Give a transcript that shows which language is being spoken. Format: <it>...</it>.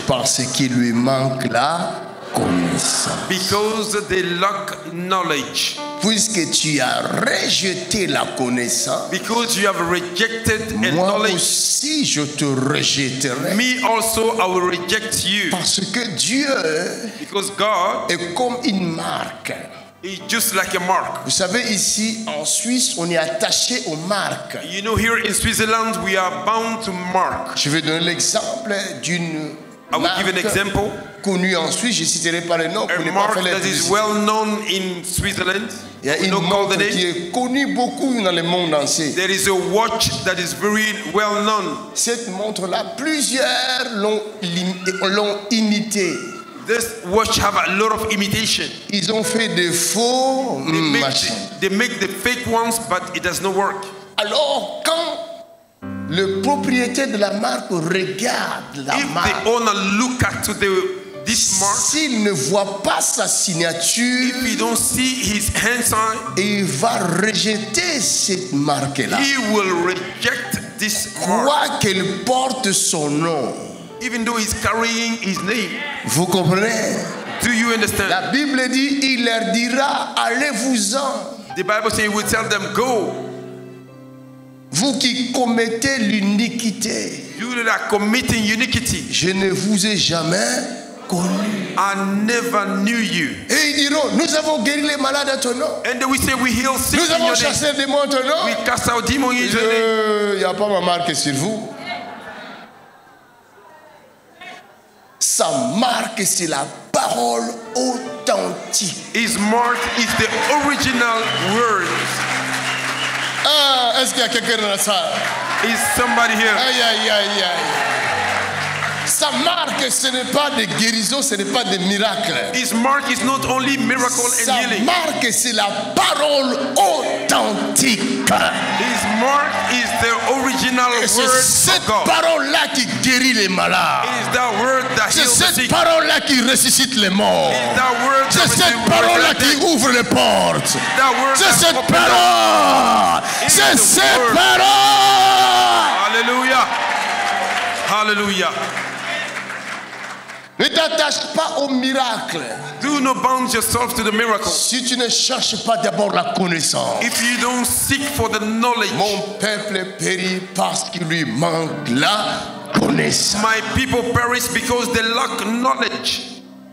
<fr>parce qu'il lui manque la connaissance,</fr> <en>because they lack knowledge,</en> <fr>puisque tu as rejeté la connaissance,</fr> <en>because you have rejected a knowledge,</en> <fr>moi aussi je te rejetterai,</fr> <en>me also I will reject you,</en> <fr>parce que Dieu,</fr> <en>because God,</en> <fr>est comme une marque.</fr> <en>It's just like a mark.</en> <fr>Vous savez ici en Suisse, on est attaché aux marques.</fr> <en>You know here in Switzerland we are bound to mark.</en> <fr>Je vais donner l'exemple d'une</fr> <en>I will give an example.</en> <fr>Connue en Suisse, je citerai pas le nom.</fr> <en>A mark that is well known in Switzerland.</en> <fr>Il y a une marque qui est connue beaucoup dans le monde entier.</fr> <en>There is a watch that is very well known.</en> <fr>Cette montre là, plusieurs l'ont imitée.</fr> <en>This watch have a lot of imitation.</en> <fr>Ils ont fait des faux machines.</fr> <en>They make the fake ones, but it does not work.</en> <fr>Alors, quand le propriétaire de la marque regarde la</fr> <en>if</en> <fr>marque,</fr> <en>if the owner look at to the this mark,</en> <fr>s'il ne voit pas sa signature,</fr> <en>if he don't see his hand sign,</en> <fr>il va rejeter cette marque là.</fr> <en>He will reject this mark.</en> <fr>Quoi qu'elle porte son nom.</fr> <en>Even though he's carrying his name.</en> <fr>Vous comprenez?</fr> <en>Do you understand?</en> <fr>La Bible dit, il leur dira, allez-vous-en.</fr> <en>The Bible says he will tell them, go.</en> <fr>Vous qui commettez l'iniquité.</fr> <en>You that are committing iniquity.</en> <fr>Je ne vous ai jamais connu.</fr> <en>I never knew you.</en> <fr>Et ils diront, nous avons guéri les malades à ton nom.</fr> <en>And then we say we heal sick.</en> <fr>Nous avons chassé les démons à ton nom.</fr> <en>We cast out demons in your name.</en> <fr>Y a pas ma marque sur vous. Sa marque c'est la parole authentique.</fr> <en>His mark is the original word.</en> <fr>Ah, est-ce qu'il y a quelqu'un dans la salle?</fr> <en>Is somebody here? Aïe aïe aïe aïe.</en> <fr>Sa marque ce n'est pas des guérisons, ce n'est pas des miracles.</fr> <en>His mark is not only miracle</en> <fr>sa</fr> <en>and healing.</en> <fr>Sa marque c'est la parole authentique.</fr> <en>His mark is the original</en> <fr>et</fr> <en>word.</en> <fr>C'est cette parole là qui guérit les malades.</fr> <en>It is that word that heals the sick.</en> <fr>C'est cette parole là qui ressuscite les morts.</fr> <en>It is that word that</en> <fr>c'est cette parole là qui ouvre les portes.</fr> <en>It is that word</en> <fr>c'est</fr> <en>that</en> <fr>cette parole. C'est cette parole. Alléluia. Alléluia. Ne t'attache pas au miracle.</fr> <en>Do not bound yourself to the miracle.</en> <fr>Si tu ne cherches pas d'abord la connaissance.</fr> <en>If you don't seek for the knowledge.</en> <fr>Mon peuple périt parce qu'il lui manque la connaissance.</fr> <en>My people perish because they lack knowledge.</en>